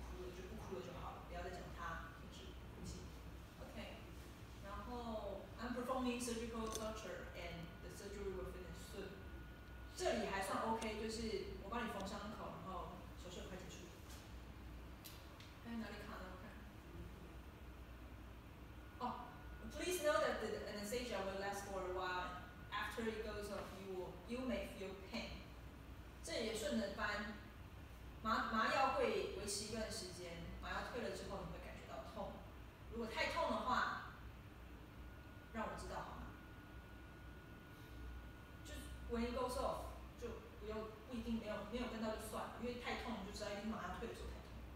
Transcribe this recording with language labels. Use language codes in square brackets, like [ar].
[zh] 就不哭了就好了，不要再讲他停止呼吸。 [en] OK， [zh] 然后 [en] I'm performing surgical culture and the surgery will finish soon。 [zh] 这里还算 OK， 就是我帮你缝伤口，然后手术快结束。还有哪里卡呢？我看。 [en] Please know that the anesthesia will last for a while. After it goes off, you may feel pain。 [zh] 这也顺着翻。麻药会维持一段时间，麻药退了之后你会感觉到痛，如果太痛的话，让我知道好吗？就 [en] when it goes off， [zh] 就不一定没有跟到就算了，因为太痛你就知道一定麻药退的时候太痛。